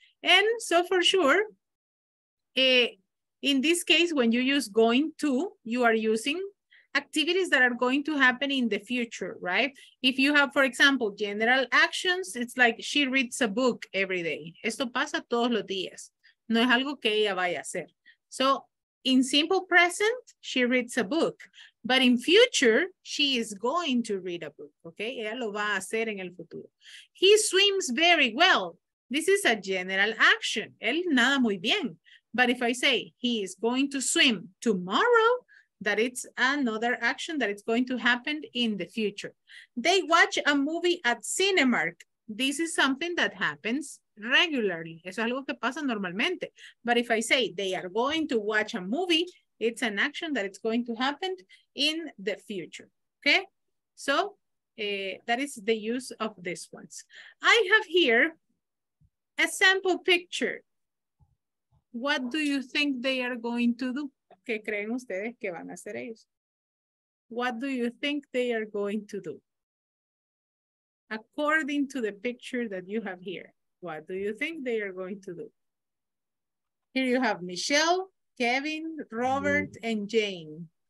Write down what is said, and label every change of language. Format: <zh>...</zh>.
<en>And so for sure, in this case, when you use going to, you are using activities that are going to happen in the future, right? If you have, for example, general actions, it's like she reads a book every day.</en> <es>Esto pasa todos los días. No es algo que ella vaya a hacer.</es> <en>So in simple present, she reads a book. But in future, she is going to read a book, okay?</en> <es>Ella lo va a hacer en el futuro.</es> <en>He swims very well. This is a general action.</en> <es>Él nada muy bien.</es> <en>But if I say he is going to swim tomorrow, that it's another action that it's going to happen in the future. They watch a movie at Cinemark. This is something that happens regularly.</en> <es>Eso es algo que pasa normalmente.</es> <en>But if I say they are going to watch a movie, it's an action that it's going to happen in the future. Okay? So that is the use of these ones. I have here a sample picture. What do you think they are going to do?</en> <es>¿Qué creen ustedes que van a hacer ellos?</es> <en>What do you think they are going to do? According to the picture that you have here, what do you think they are going to do? Here you have Michelle, Kevin, Robert, and Jane.</en>